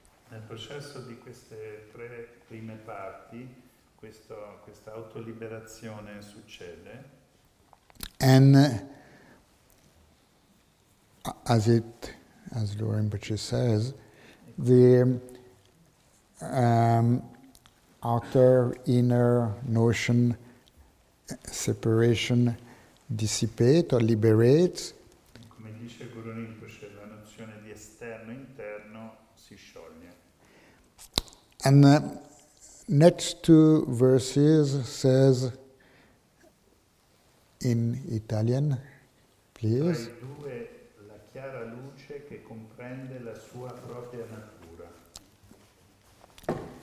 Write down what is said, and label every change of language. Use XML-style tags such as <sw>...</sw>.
<it>Nel processo di queste tre prime parti, questa autoliberazione succede.</it> <en>And as Lo Rinpoche says, the outer, inner notion, separation, dissipate or liberate.</en> <it>Come dice Guru Rinpoche, la nozione di esterno e interno si scioglie.</it> <en>And next two verses says in Italian, please.</en> <it>Chiara luce che comprende la sua propria natura.</it>